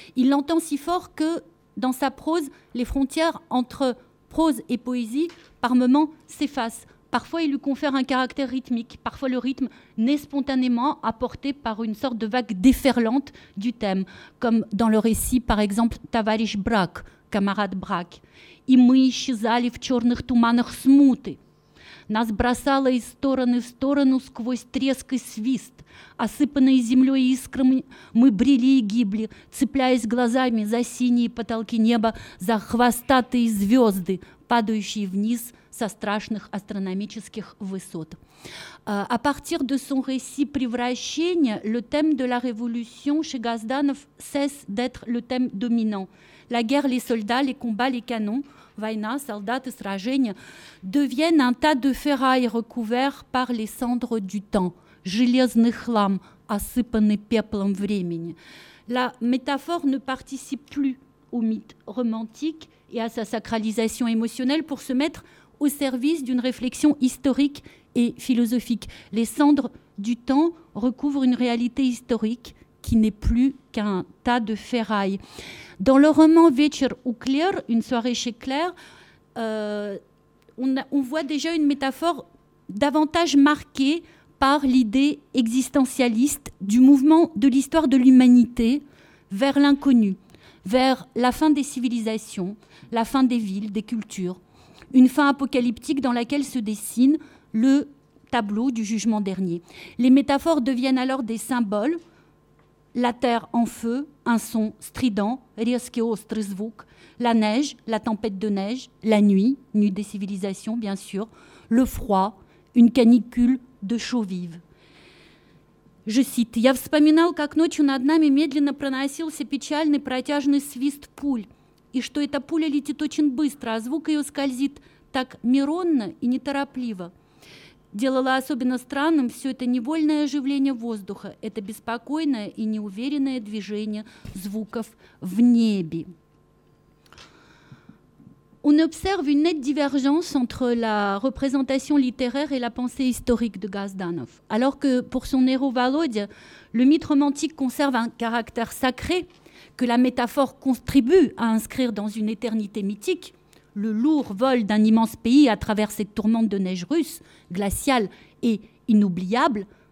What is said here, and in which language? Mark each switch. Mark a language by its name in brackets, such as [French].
[French] Il l'entend si fort que, dans sa prose, les frontières entre prose et poésie, par moments, s'effacent. Parfois, il lui confère un caractère rythmique. Parfois, le rythme naît spontanément, apporté par une sorte de vague déferlante du thème, comme dans le récit, par exemple, « Товарищ Брак »,« Camarade Брак ». [Russian] «И мы исчезали в черных туманах смуты. Нас бросало из стороны в сторону сквозь треск и свист. Осыпанные землей искрами, мы брели и гибли, цепляясь глазами за синие потолки неба, за хвостатые звезды, падающие вниз». Со страшных астрономических высот. [French] À partir de son récit «Превращение», le thème de la révolution chez Gazdanov cesse d'être le thème dominant. La guerre, les soldats, les combats, les canons, «Война», «Солдаты», «Сражения» deviennent un tas de ferrailles recouverts par les cendres du temps. [Russian] «Железный хлам», «Осыпанный пеплом времени». [French] La métaphore ne participe plus au mythe romantique et à sa sacralisation émotionnelle pour se mettre au service d'une réflexion historique et philosophique. Les cendres du temps recouvrent une réalité historique qui n'est plus qu'un tas de ferrailles. Dans le roman « Вечер у Клер », une soirée chez Claire, on voit déjà une métaphore davantage marquée par l'idée existentialiste du mouvement de l'histoire de l'humanité vers l'inconnu, vers la fin des civilisations, la fin des villes, des cultures. Une fin apocalyptique dans laquelle se dessine le tableau du jugement dernier. Les métaphores deviennent alors des symboles, la terre en feu, un son strident, [Russian] резкий острый звук, [French] la neige, la tempête de neige, la nuit, nuit des civilisations bien sûr, le froid, une canicule de chaux vive. Je cite, [Russian] «Я вспоминал, как ночью над нами медленно проносился печальный протяжный свист пуль». И что эта пуля летит очень быстро, а звук ее скользит так миронно и неторопливо. Делало особенно странным все это невольное оживление воздуха, это беспокойное и неуверенное движение звуков в небе. [French] On observe une nette divergence entre la représentation littéraire et la pensée historique de Gazdanov. Alors que pour son héros Володя, le mythe romantique conserve un caractère sacré, que la métaphore contribue à inscrire dans une éternité mythique, le lourd vol d'un immense pays à travers cette tourmente de neige russe, glaciale et inoubliable.